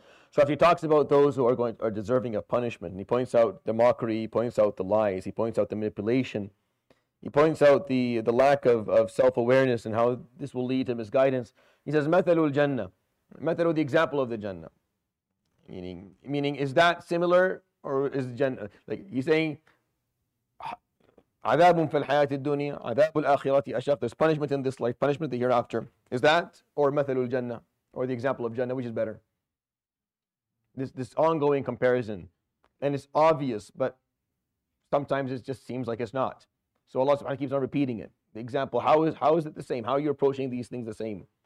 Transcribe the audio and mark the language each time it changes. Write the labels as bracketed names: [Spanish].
[English] So if He talks about those who are deserving of punishment, and He points out the mockery, He points out the lies, He points out the manipulation, He points out the lack of self-awareness and how this will lead to misguidance, He says, [Arabic] مَثَلُ الْجَنَّةِ [English] Method of the example of the Jannah. Meaning, is that similar or is Jannah? Like, he's saying, [Arabic] عَذَابٌ فِي الْحَيَاةِ الدُّنْيَا عَذَابُ الْآخِرَةِ أَشَقٍ. [English] There's punishment in this life, punishment the hereafter. Is that or [Arabic] مَثَلُ الْجَنَّةِ [English] or the example of Jannah, which is better? This ongoing comparison. And it's obvious, but sometimes it just seems like it's not. So Allah subhanahu keeps on repeating it. The example, how is it the same? How are you approaching these things the same?